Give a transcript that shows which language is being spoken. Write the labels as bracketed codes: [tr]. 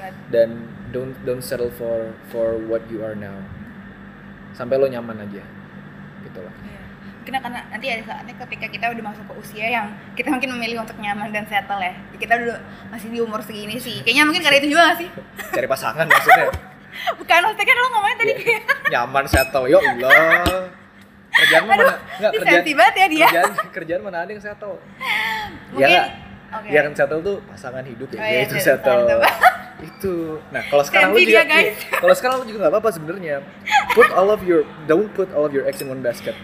[en] Dan don't settle for what you are now. [id] Sampai lo nyaman aja gitu loh. Mungkin karena nanti ada saatnya ketika kita udah masuk ke usia yang kita mungkin memilih untuk nyaman dan settle ya. Jadi kita udah masih di umur segini sih. Kayaknya mungkin karena itu juga gak sih? Cari pasangan maksudnya? Bukan, maksudnya kan lo ngomongnya tadi kayak nyaman, settle, ya Allah. Kerjaan mana? Disensi banget ya dia. Kerjaan mana ada yang settle? mungkin ya, okay. Yang settle tuh pasangan hidup ya, oh, itu settle. Itu. Nah, kalau sekarang lu juga, [en] guys. [id] Kalau sekarang lu juga enggak apa-apa sebenarnya. [en] Put all of your don't put all of your eggs in one basket.